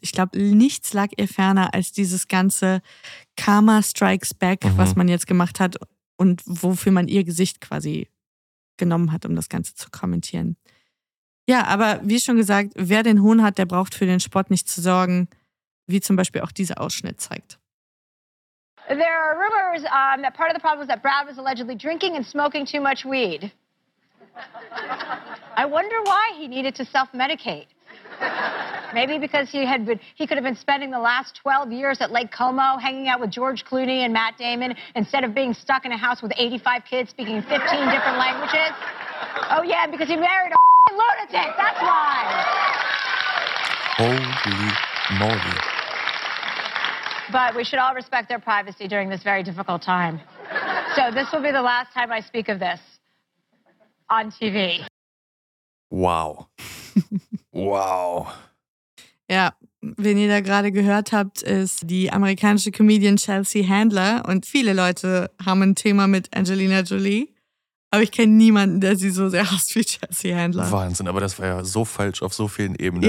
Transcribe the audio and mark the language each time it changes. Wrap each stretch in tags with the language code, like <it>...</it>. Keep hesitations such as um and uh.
<de>Ich glaube, nichts lag ihr ferner als dieses ganze Karma Strikes Back, mhm. was man jetzt gemacht hat und wofür man ihr Gesicht quasi genommen hat, um das Ganze zu kommentieren. Ja, yeah, aber wie schon gesagt, wer den Hohn hat, der braucht für den Sport nicht zu sorgen, wie zum Beispiel auch dieser Ausschnitt zeigt.</de> <en>There are rumors um, that part of the problem is that Brad was allegedly drinking and smoking too much weed. I wonder why he needed to self-medicate. Maybe because he had been, he could have been spending the last 12 years at Lake Como hanging out with George Clooney and Matt Damon instead of being stuck in a house with 85 kids speaking 15 different languages. Oh yeah, because he married a lunatic. That's why. Holy moly. But we should all respect their privacy during this very difficult time. So this will be the last time I speak of this on TV. Wow. wow.</en> <de>ja, wenn ihr da gerade gehört habt, ist die amerikanische Comedian Chelsea Handler und viele Leute haben ein Thema mit Angelina Jolie. Aber ich kenne niemanden, der sie so sehr hasst wie Chelsea Handler. Wahnsinn, aber das war ja so falsch auf so vielen Ebenen.</de>